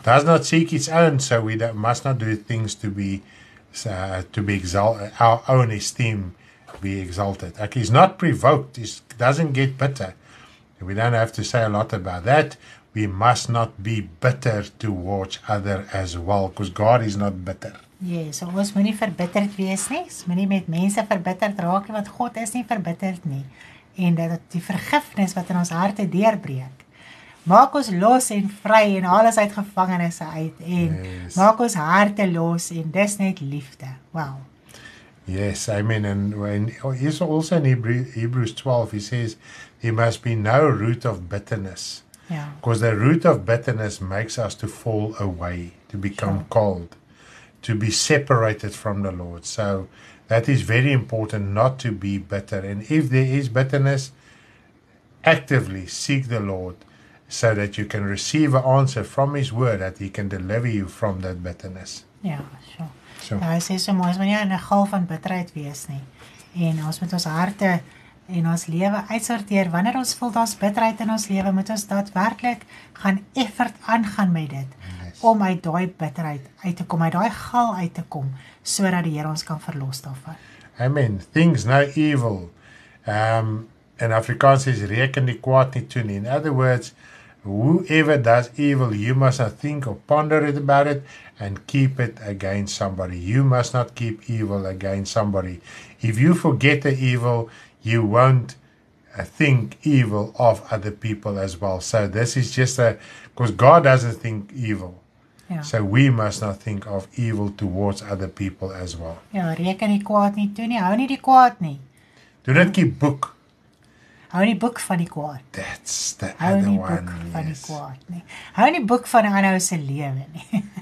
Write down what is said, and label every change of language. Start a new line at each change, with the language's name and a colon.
English: Does not seek its own, so we must not do things to be our own esteem be exalted. Like, he's not provoked. He doesn't get bitter. We don't have to say a lot about that. We must not be bitter towards other as well, because God is not bitter.
Afrikaans: Yes, so ons moet nie verbitterd wees nie. Ons moet nie met mense verbitterd raak, want God is nie verbitterd nie. En dat die vergifnis wat in ons harte deurbreek, maak ons los en vry en alles uit gevangenisse uit. En
English: yes,
Afrikaans: maak ons harte los, en dis net liefde. Wow.
English: Yes, amen. And when he's also in Hebrews 12, he says, there must be no root of bitterness. Because yeah, the root of bitterness makes us to fall away, to become sure, cold, to be separated from the Lord. So that is very important, not to be bitter. And if there is bitterness, actively seek the Lord so that you can receive an answer from his word, that he can deliver you from that bitterness. Yeah, sure. So.
Afrikaans: Nou, hy sê so mooi, ons moet nie in 'n gal van bitterheid wees nie. En ons moet ons harte en ons lewe uitsorteer. Wanneer ons voel daar's bitterheid in ons lewe, moet ons daadwerklik gaan effort aangaan met dit.
English: Yes.
Afrikaans: Om uit daai bitterheid uit te kom, uit daai gal uit te kom, sodat die Here ons kan verlos daarvan.
English: Amen. Things no evil.
Afrikaans: In Afrikaans is reken die kwaad nie toe nie.
English: In other words, whoever does evil, you must not think or ponder it about it and keep it against somebody. You must not keep evil against somebody. If you forget the evil, you won't think evil of other people as well. So this is just because God doesn't think evil. Yeah. So we must not think of evil towards other people as well.
Afrikaans: Ja, reken die kwaad nie toe nie, hou nie die kwaad nie.
English: Do not keep book.
Afrikaans: Hou nie boek van die kwaad.
English: That's the other one.
Afrikaans: Hou nie boek van die kwaad nie. Hou nie boek van die ander se lewe nie.